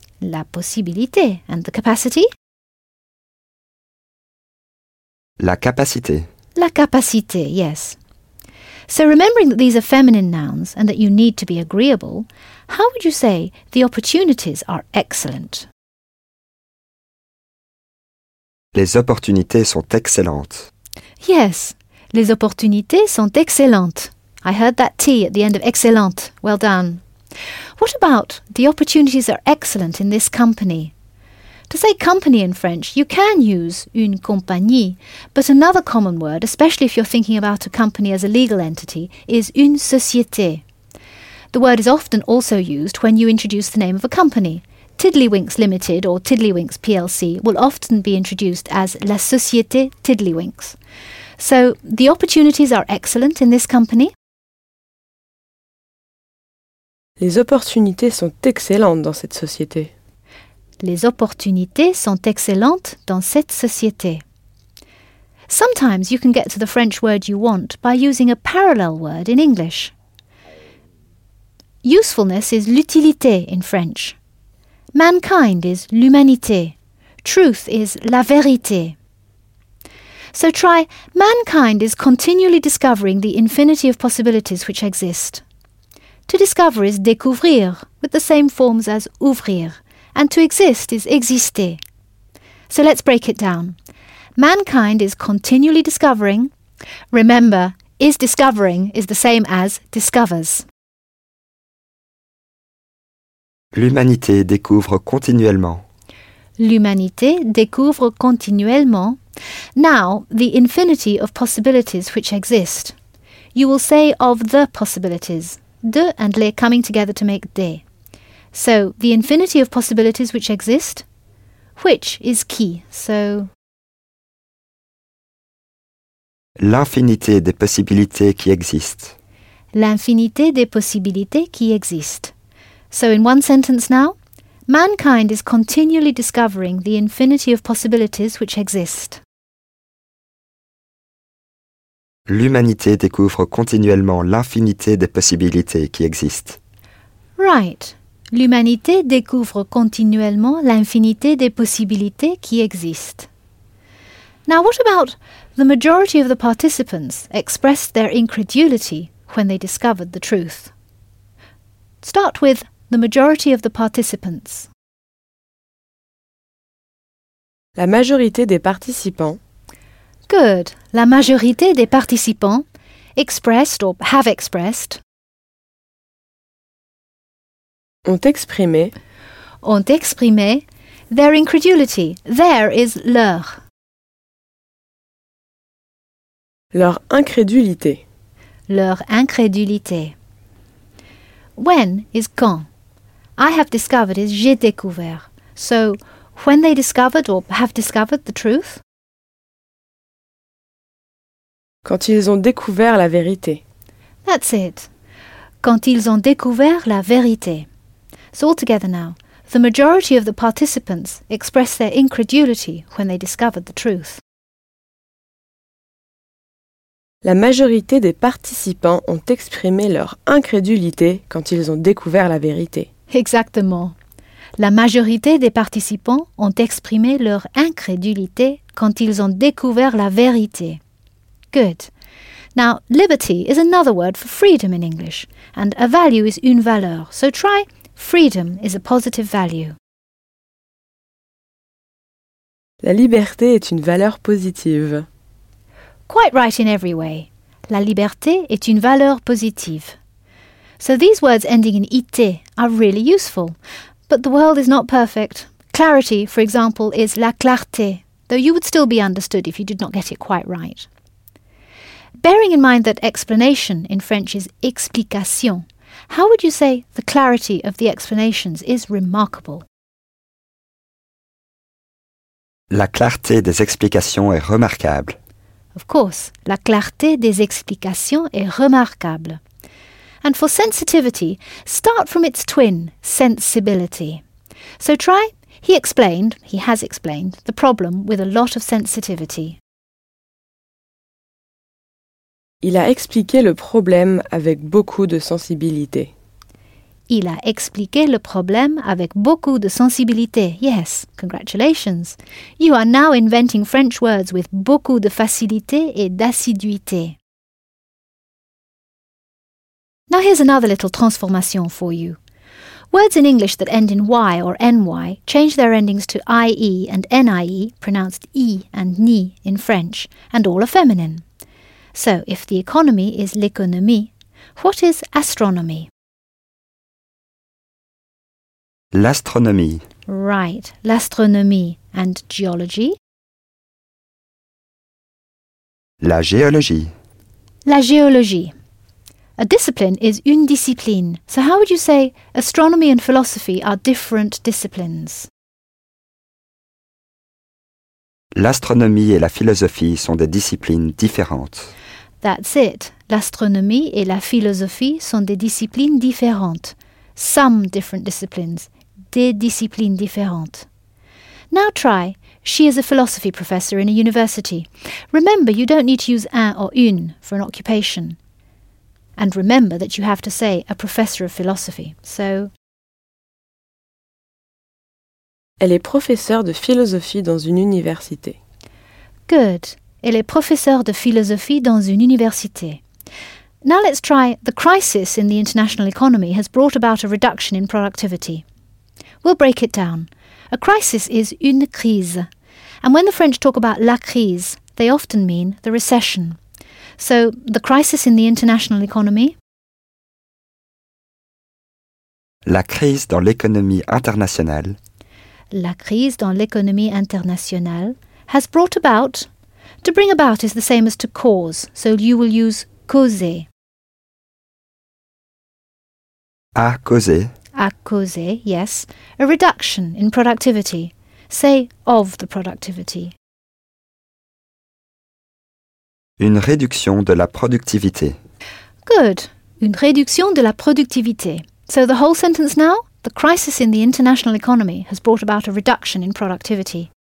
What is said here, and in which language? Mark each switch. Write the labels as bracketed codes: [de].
[fr] La possibilité. [en] And the capacity? [fr] La capacité. La capacité, yes. [en] So remembering that these are feminine nouns and that you need to be agreeable, how would you say the opportunities are excellent? [fr] Les opportunités sont excellentes. Yes, les opportunités sont excellentes. [en] I heard that T at the end of excellente. Well done. What about the opportunities are excellent in this company? To say company in French, you can use une compagnie, but another common word, especially if you're thinking about a company as a legal entity, is une société. The word is often also used when you introduce the name of a company. Tiddlywinks Limited or Tiddlywinks PLC will often be introduced as la société Tiddlywinks. So, the opportunities are excellent in this company? [fr] Les opportunités sont excellentes dans cette société. Les opportunités sont excellentes dans cette société. [en] Sometimes you can get to the French word you want by using a parallel word in English. Usefulness is l'utilité in French. Mankind is l'humanité. Truth is la vérité. So try, mankind is continually discovering the infinity of possibilities which exist. To discover is découvrir, with the same forms as ouvrir, and to exist is exister. So let's break it down. Mankind is continually discovering. Remember, is discovering is the same as discovers. [fr] L'humanité découvre continuellement. L'humanité découvre continuellement. [en] Now, the infinity of possibilities which exist. You will say of the possibilities. De and les coming together to make des. So, the infinity of possibilities which exist, which is qui, so... [fr] L'infinité des possibilités qui existent. L'infinité des possibilités qui existent. [en] So, in one sentence now, mankind is continually discovering the infinity of possibilities which exist. [fr] L'humanité découvre continuellement l'infinité des possibilités qui existent. [en] Right. [fr] L'humanité découvre continuellement l'infinité des possibilités qui existent. [en] Now, what about the majority of the participants expressed their incredulity when they discovered the truth? Start with the majority of the participants. [fr] La majorité des participants. [en] Good. [fr] La majorité des participants [en] expressed or have expressed. [fr] Ont exprimé. Ont exprimé [en] their incredulity. Their is leur. [fr] Leur incrédulité. Leur incrédulité. [en] When is quand. I have discovered is j'ai découvert. So, when they discovered or have discovered the truth. [fr] Quand ils ont découvert la vérité. [en] That's it. [fr] Quand ils ont découvert la vérité. [en] So altogether now, the majority of the participants expressed their incredulity when they discovered the truth. [fr] La majorité des participants ont exprimé leur incrédulité quand ils ont découvert la vérité. Exactement. La majorité des participants ont exprimé leur incrédulité quand ils ont découvert la vérité. [en] Good. Now, liberty is another word for freedom in English, and a value is une valeur. So try, freedom is a positive value. [fr] La liberté est une valeur positive. [en] Quite right in every way. [fr] La liberté est une valeur positive. [en] So these words ending in ité are really useful. But the world is not perfect. Clarity, for example, is la clarté, though you would still be understood if you did not get it quite right. Bearing in mind that explanation in French is explication, how would you say the clarity of the explanations is remarkable? [fr] La clarté des explications est remarquable. [en] Of course, [fr] la clarté des explications est remarquable. [en] And for sensitivity, start from its twin, sensibility. So try, he has explained, the problem with a lot of sensitivity. [fr] Il a expliqué le problème avec beaucoup de sensibilité. Il a expliqué le problème avec beaucoup de sensibilité. [en] Yes, congratulations. You are now inventing French words with [fr] beaucoup de facilité et d'assiduité. [en] Now here's another little transformation for you. Words in English that end in Y or NY change their endings to IE and NIE, pronounced E and NI in French, and all are feminine. So, if the economy is l'économie, what is astronomy? [fr] L'astronomie. [en] Right, l'astronomie. And geology? [fr] La géologie. La géologie. [en] A discipline is une discipline. So how would you say astronomy and philosophy are different disciplines? [fr] L'astronomie et la philosophie sont des disciplines différentes. [en] That's it. [fr] L'astronomie et la philosophie sont des disciplines différentes. [en] Some different disciplines. [fr] Des disciplines différentes. [en] Now try. She is a philosophy professor in a university. Remember, you don't need to use un or une for an occupation. And remember that you have to say a professor of philosophy. So, [fr] elle est professeure de philosophie dans une université. [en] Good. [fr] Elle est professeure de philosophie dans une université. [en] Now let's try. The crisis in the international economy has brought about a reduction in productivity. We'll break it down. A crisis is une crise. And when the French talk about la crise, they often mean the recession. So, the crisis in the international economy? [fr] La crise dans l'économie internationale. La crise dans l'économie internationale [en] has brought about. To bring about is the same as to cause, so you will use causer. [fr] A causer. A causer, yes. [en] A reduction in productivity. Say of the productivity. [fr] Une réduction de la productivité. [en] Good. [fr] Une réduction de la productivité. [en] So the whole sentence now? The crisis in the international economy has brought about a reduction in productivity.